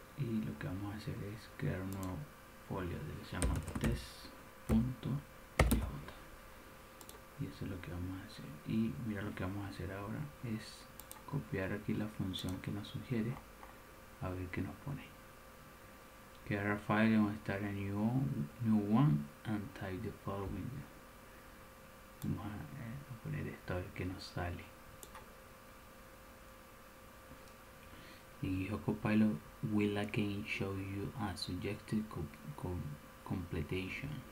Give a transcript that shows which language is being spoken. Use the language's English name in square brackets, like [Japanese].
[Spanish] Y lo que vamos a hacer es crear un nuevo folio que se llama test.jota. Y eso es lo que vamos a hacer. Y mira, lo que vamos a hacer ahora es copiar aquí la función que nos sugiere, a ver qué nos pone. [English] Crear a file and start a new one and type the following. [Spanish] Vamos a poner esto a ver qué nos sale. [English] Y GitHub Copilot will again show you a suggested completion.